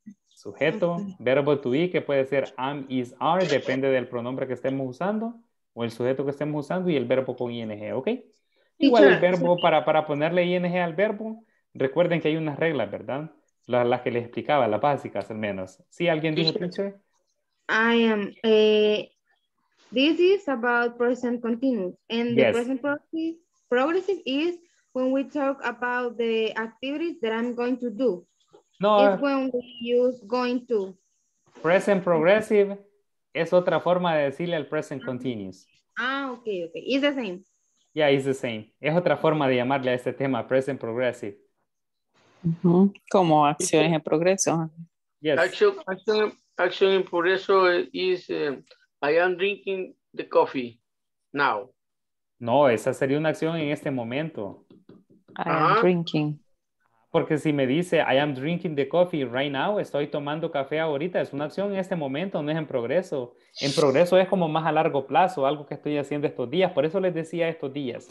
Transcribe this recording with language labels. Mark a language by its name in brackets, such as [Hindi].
[Spanish] Sujeto, verbo to be, que puede ser am, is, are, depende del pronombre que estemos usando, o el sujeto que estemos usando, y el verbo con ing, ¿ok? Igual el verbo, para ponerle ing al verbo, recuerden que hay unas reglas, ¿verdad? Las que les explicaba, las básicas al menos. ¿Sí? ¿Alguien dijo, teacher? [English] I am... this is about present continuous, and the present progressive is... when we talk about the activities that I'm going to do. No. Is when we use going to. [Spanish] Present progressive es otra forma de decirle al present continuous. [English] Ah, ok. It's the same. Yeah, it's the same. [Spanish] Es otra forma de llamarle a este tema, present progressive. Como acciones en progreso. [English] Yes. Action in progreso is, I am drinking the coffee now. [Spanish] No, esa sería una acción en este momento. [English] I am drinking. [Spanish] Porque si me dice, [English] I am drinking the coffee right now, [Spanish] estoy tomando café ahorita, es una acción en este momento, no es en progreso. En progreso es como más a largo plazo, algo que estoy haciendo estos días, por eso les decía estos días.